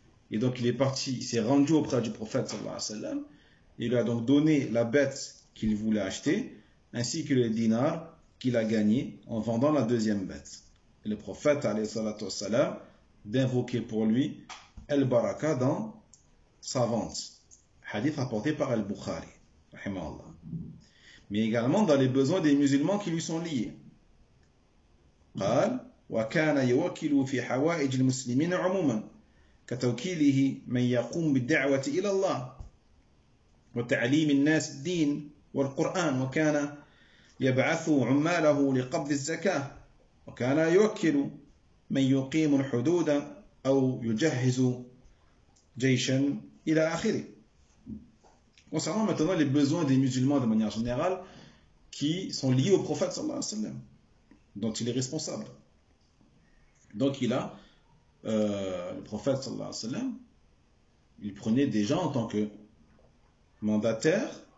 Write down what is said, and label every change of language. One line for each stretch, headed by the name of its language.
French: Et donc, il est parti, il s'est rendu auprès du prophète sallallahu alayhi wa sallam. Il lui a donc donné la bête qu'il voulait acheter, ainsi que le dinar qu'il a gagné en vendant la deuxième bête. Et le prophète, alayhi salatu wassalam, d'invoquer pour lui al-baraka dans sa vente. Hadith rapporté par al-Bukhari, rahimahullah. Mais également dans les besoins des musulmans qui lui sont liés.
Arabic: قال وكان يوكل في حوائج المسلمين عموما كتوكيله من يقوم بالدعوة إلى الله وتعليم الناس الدين والقرآن وكان يبعث عماله لقبض الزكاة وكان يوكل من يقيم الحدود أو يجهز جيشا إلى آخره.
French: Concernant maintenant les besoins des musulmans de manière générale qui sont liés au prophète sallallahu alayhi wa sallam, dont il est responsable. Donc il a, le prophète sallallahu alayhi wa sallam, il prenait des gens en tant que mandataire.